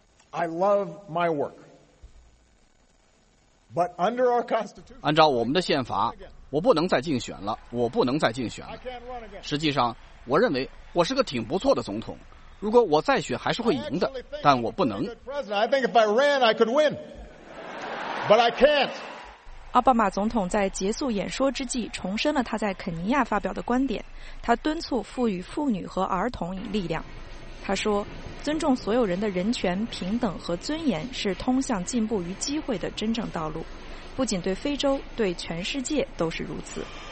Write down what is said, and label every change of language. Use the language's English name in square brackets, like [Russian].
[English] I love my work. But under our constitution, [Chinese] 按照我们的宪法，我不能再竞选了，我不能再竞选了。实际上，我认为我是个挺不错的总统。如果我再选，还是会赢的，但我不能。 [English] I think if I ran, I could win. But I can't. [Chinese] 奥巴马总统在结束演说之际重申了他在肯尼亚发表的观点，他敦促赋予妇女和儿童以力量。他说，尊重所有人的人权、平等和尊严是通向进步与机会的真正道路，不仅对非洲，对全世界都是如此。